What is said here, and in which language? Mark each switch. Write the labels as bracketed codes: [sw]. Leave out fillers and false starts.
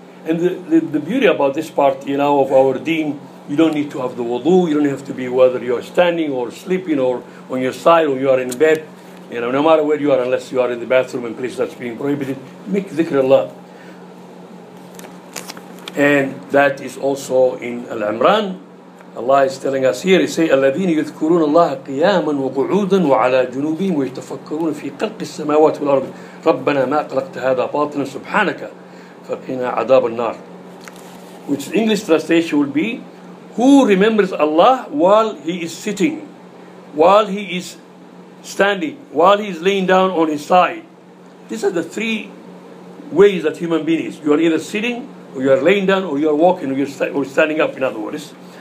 [en] And the beauty about this part, of our deen, you don't need to have the wudu, you don't have to be whether you're standing or sleeping or on your side or you are in bed. No matter where you are, unless you are in the bathroom and place that's being prohibited, make dhikr Allah. And that is also in Al-Imran. Allah is telling us here, he says, [ar] الَّذِينَ يُذْكُرُونَ اللَّهَ قِيَامًا وَقُعُودًا وَعَلَى جُنُوبِهِمْ وَيَتَفَكَّرُونَ فِي خَلْقِ السَّمَاوَاتِ وَالْأَرْضِ رَبَّنَا مَا خَلَقْتَ هَذَا بَاطِلًا سُبْحَانَكَ فَقِنَا عَذَابَ النَّارِ. [en] Which English translation would be, who remembers Allah while he is sitting, while he is standing, while he's laying down on his side. These are the three ways that human being is. You are either sitting, or you are laying down, or you are walking, or you are standing up, in other words.